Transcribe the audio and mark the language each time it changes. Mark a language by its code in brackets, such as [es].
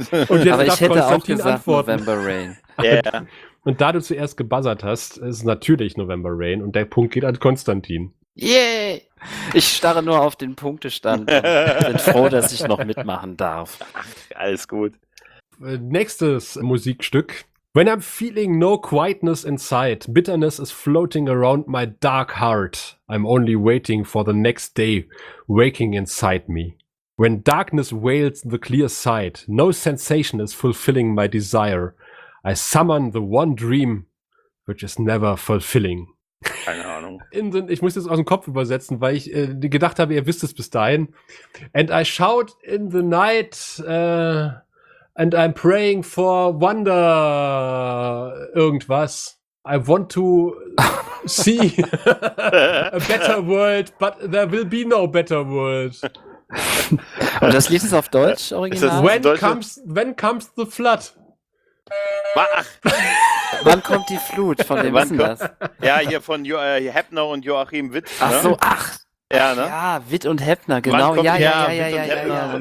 [de] Und jetzt aber ich hätte auch gesagt antworten. [en] November Rain. Yeah. [de] Und da du zuerst gebuzzert hast, ist natürlich November Rain und der Punkt geht an Konstantin. [en] Yay! Yeah. [de] Ich starre nur auf den Punktestand und bin froh, dass ich noch mitmachen darf. Ach, alles gut. Nächstes Musikstück. [en] When I'm feeling no quietness inside, bitterness is floating around my dark heart. I'm only waiting for the next day, waking inside me. When darkness wails the clear sight, no sensation is fulfilling my desire. I summon the one dream, which is never fulfilling. [de] Keine Ahnung. Ich muss das aus dem Kopf übersetzen, weil ich gedacht habe, ihr wisst es bis dahin. [en] And I shout in the night, and I'm praying for wonder irgendwas. I want to see a better world, but there will be no better world. [de] Und das liest es auf Deutsch original? [en] When comes the flood? [de] Wann kommt die Flut? Von wem ist das? Ja, hier von Heppner und Joachim Witt. Ne? Ach so, ach. Ja, ne? Ja, Witt und Heppner, genau. Ja, Witt und Heppner. Ja.